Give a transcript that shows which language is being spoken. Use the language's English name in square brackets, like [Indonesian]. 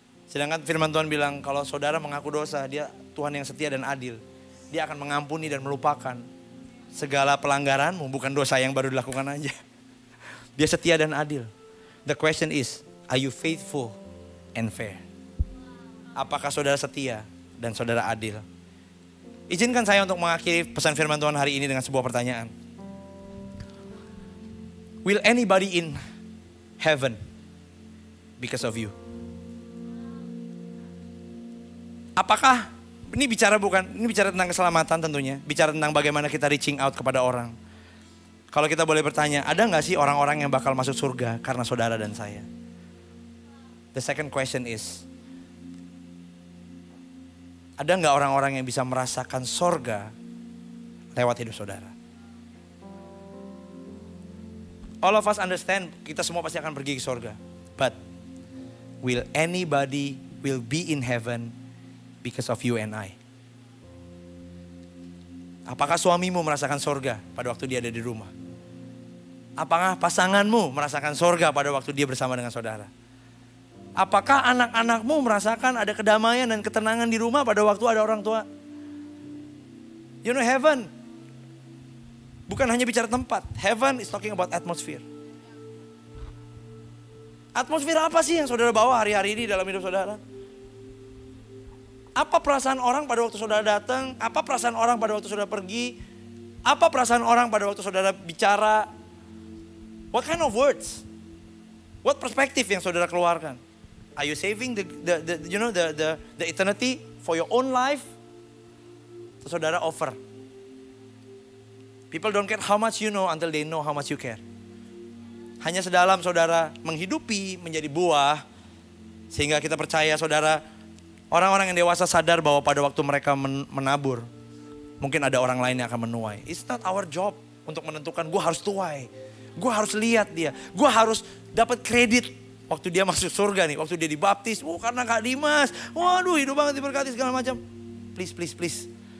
[Indonesian] Sedangkan firman Tuhan bilang, kalau saudara mengaku dosa, dia Tuhan yang setia dan adil. Dia akan mengampuni dan melupakan segala pelanggaranmu, bukan dosa yang baru dilakukan aja. Dia setia dan adil. [English] The question is, are you faithful and fair? [Indonesian] Apakah saudara setia dan saudara adil? Izinkan saya untuk mengakhiri pesan firman Tuhan hari ini dengan sebuah pertanyaan. [English] Will anybody in heaven because of you? [Indonesian] apakah ini bicara bukan, ini bicara tentang keselamatan tentunya, bicara tentang bagaimana kita reaching out kepada orang. Kalau kita boleh bertanya, ada gak sih orang-orang yang bakal masuk surga karena saudara dan saya? [English] The second question is, [Indonesian] ada gak orang-orang yang bisa merasakan surga lewat hidup saudara? [English] All of us understand, [Indonesian] kita semua pasti akan pergi ke surga. [English] But, will anybody will be in heaven because of you and I? [Indonesian] Apakah suamimu merasakan surga pada waktu dia ada di rumah? Apakah pasanganmu merasakan surga pada waktu dia bersama dengan saudara? Apakah anak-anakmu merasakan ada kedamaian dan ketenangan di rumah pada waktu ada orang tua? [English] You know, [Indonesian] heaven bukan hanya bicara tempat. [English] Heaven is talking about atmosphere. [Indonesian] Atmosfer apa sih yang saudara bawa hari-hari ini dalam hidup saudara? Apa perasaan orang pada waktu saudara datang? Apa perasaan orang pada waktu saudara pergi? Apa perasaan orang pada waktu saudara bicara? [English] What kind of words? What perspective [Indonesian] yang saudara keluarkan? [English] Are you saving the eternity for your own life? [Indonesian] Atau saudara [English] offer? People don't care how much you know until they know how much you care. [Indonesian] Hanya sedalam saudara menghidupi menjadi buah, sehingga kita percaya saudara, orang-orang yang dewasa sadar bahwa pada waktu mereka menabur, mungkin ada orang lain yang akan menuai. [English] It's not our job [Indonesian] untuk menentukan, gue harus tuai, gue harus lihat dia, gue harus dapat kredit waktu dia masuk surga nih, waktu dia dibaptis, oh karena Kak Dimas, waduh hidup banget diberkati segala macam. [English] Please, please, please.